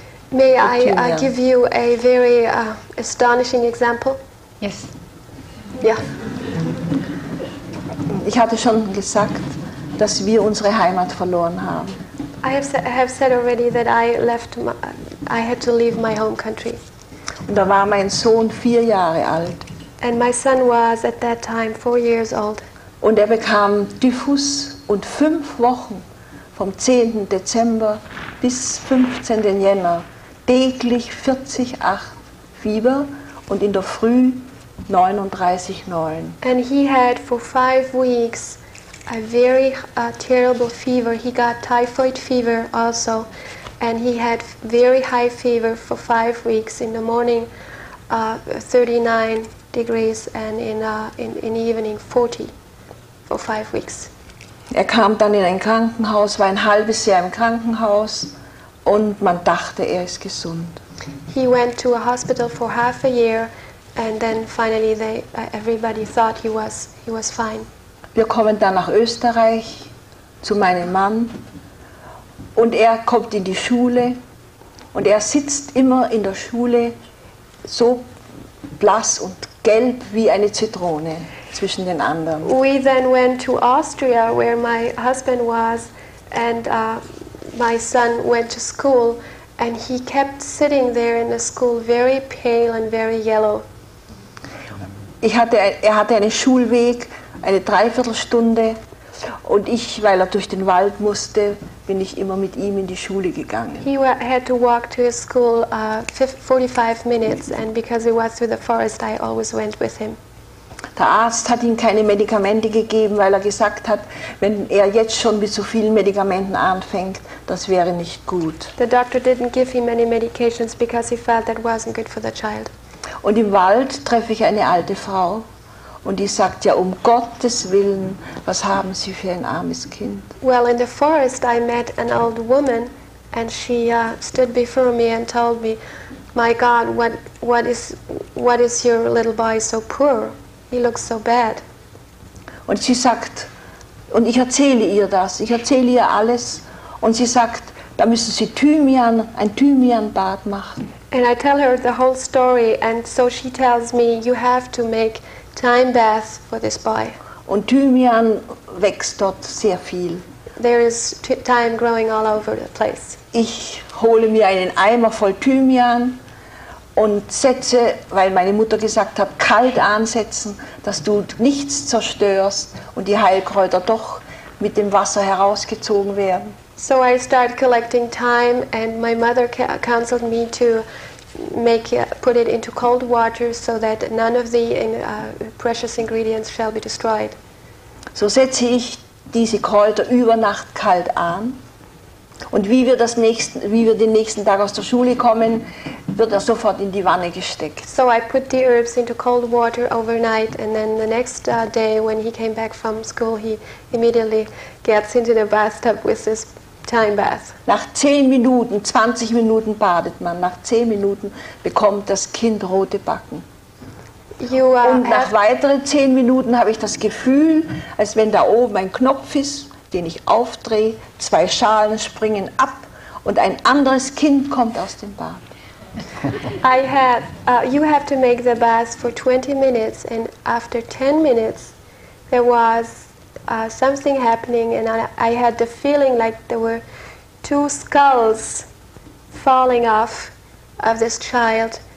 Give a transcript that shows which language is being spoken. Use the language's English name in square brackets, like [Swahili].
[English] May I give you a very astonishing example? Yes. [German] Ja. Ich hatte schon gesagt, dass wir unsere Heimat verloren haben. [English] I have said already that I had to leave my home country. [German] Und da war mein Sohn 4 Jahre alt. [English] And my son was at that time 4 years old. [German] Und er bekam Typhus und 5 Wochen vom 10. Dezember bis 15. Jänner täglich 40,8 Fieber und in der Früh 39,9. [English] And he had for 5 weeks a very terrible fever. He got typhoid fever also, and he had very high fever for 5 weeks. In the morning 39 degrees and in evening 40 for 5 weeks. [German] Er kam dann in ein Krankenhaus, war ein halbes Jahr im Krankenhaus und man dachte, er ist gesund. [English] He went to a hospital for half a year and then finally everybody thought he was fine. [German] Wir kommen dann nach Österreich zu meinem Mann und er kommt in die Schule und er sitzt immer in der Schule so blass und gelb wie eine Zitrone zwischen den anderen. [English] We then went to Austria where my husband was and my son went to school and he kept sitting there in the school very pale and very yellow. [German] Er hatte einen Schulweg, eine Dreiviertelstunde und ich, weil er durch den Wald musste, bin ich immer mit ihm in die Schule gegangen. [English] He had to walk to his school 45 minutes and because it was through the forest I always went with him. [German] Der Arzt hat ihm keine Medikamente gegeben, weil er gesagt hat, wenn er jetzt schon mit so vielen Medikamenten anfängt, das wäre nicht gut. [English] The doctor didn't give him any medications because he felt that wasn't good for the child. [German] Und im Wald treffe ich eine alte Frau. Und die sagt ja, um Gottes Willen, was haben Sie für ein armes Kind? [English] Well, in the forest I met an old woman and she stood before me and told me, my God, what is your little boy so poor? He looks so bad. [German] Und sie sagt, und ich erzähle ihr das, ich erzähle ihr alles und sie sagt, da müssen Sie ein Thymianbad machen. [English] And I tell her the whole story and so she tells me, you have to make time bath for this boy. [German] Und Thymian wächst dort sehr viel. [English] There is thyme growing all over the place. [German] Ich hole mir einen Eimer voll Thymian und setze, weil meine Mutter gesagt hat, kalt ansetzen, dass du nichts zerstörst und die Heilkräuter doch mit dem Wasser herausgezogen werden. [English] So I start collecting thyme and my mother counseled me to put it into cold water so that none of the precious ingredients shall be destroyed. [German] So setze ich diese Kräuter über Nacht kalt an. Und wie wir den nächsten Tag aus der Schule kommen, wird er sofort in die Wanne gesteckt. [English] So I put the herbs into cold water overnight and then the next day when he came back from school he immediately gets into the bathtub with this time bath. [German] Nach 10 Minuten, 20 Minuten badet man. Nach 10 Minuten bekommt das Kind rote Backen. Und nach weiteren 10 Minuten habe ich das Gefühl, als wenn da oben ein Knopf ist, den ich aufdrehe, 2 Schalen springen ab und ein anderes Kind kommt aus dem Bad. [English] You have to make the bath for 20 minutes and after 10 minutes there was something happening and I had the feeling like there were 2 skulls falling off of this child.